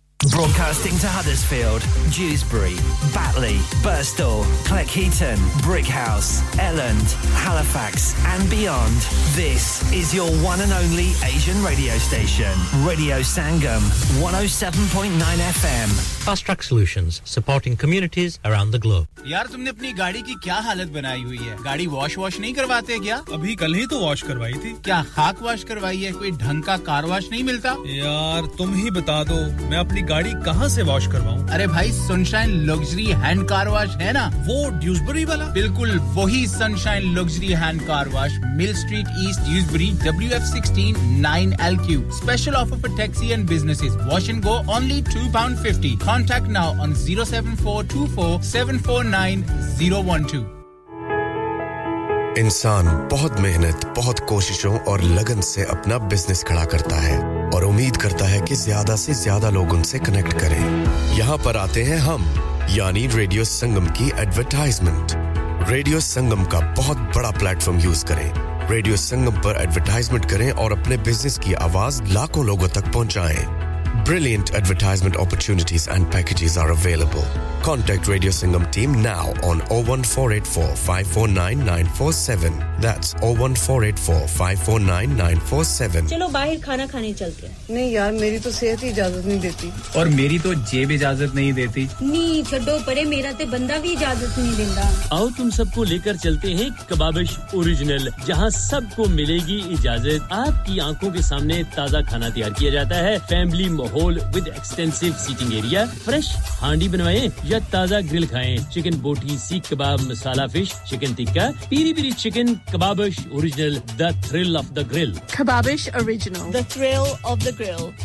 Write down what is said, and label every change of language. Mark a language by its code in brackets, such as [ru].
[en] Broadcasting to Huddersfield, Dewsbury, Batley, Birstall, Cleckheaton, Brickhouse, Elland, Halifax and beyond. This is your one and only Asian radio station. Radio Sangam, 107.9 FM. Fast Track Solutions, supporting communities around the globe. [hi] यार तुमने अपनी गाड़ी की क्या हालत बनाई हुई है? गाड़ी वॉश वॉश नहीं करवाते क्या? अभी कल ही तो वॉश करवाई थी. क्या खाक वॉश करवाई है? कोई ढंग का कार वॉश नहीं मिलता? यार तुम ही बता दो. मैं अपनी गाड़ी कहाँ से वॉश करवाऊँ? अरे भाई sunshine luxury hand car wash है ना? वो ड्यूसबरी वाला? बिल्कुल वही sunshine luxury hand car wash, mill street east, Dewsbury, WF16 9LQ. [en] Special offer for taxi and businesses. Wash and go only £2.50. Contact now on 07424749012. [hi] इंसान बहुत मेहनत, बहुत कोशिशों और लगन से अपना बिजनेस खड़ा करता है और उम्मीद करता है कि ज्यादा से ज्यादा लोग उनसे कनेक्ट करें. यहां पर आते हैं हम, यानी रेडियो संगम की एडवर्टाइजमेंट. रेडियो संगम का बहुत बड़ा प्लेटफार्म यूज करें. रेडियो संगम पर एडवर्टाइजमेंट करें और अपने बिजनेस की आवाज लाखों लोगों तक पहुंचाएं. [en] Brilliant advertisement opportunities and packages are available. Contact Radio Sangam team now on 01484-549-947. That's 01484-549-947. [hi] चलो बाहर खाना खाने चलते हैं. नहीं यार मेरी तो सेहत ही इजाजत नहीं देती. और मेरी तो जेब इजाजत नहीं देती. नहीं छोड़ो परे मेरा तो बंदा भी इजाजत नहीं देता. आओ तुम सबको लेकर चलते हैं कबाबिश ओरिजिनल, जहां सबको मिलेगी इजाजत. आपकी आंखों के सामने ताजा खाना तैयार किया जाता है. फैमिली माहौल [en] With extensive seating area. [hi] Fresh हांडी बनवाएं या ताजा ग्रिल खाएं. चिकन बोटी, सीख कबाब, मसाला fish, chicken tikka, Piri Piri chicken. [en] Kababish original, the thrill of the grill. Kababish original, the thrill of the grill.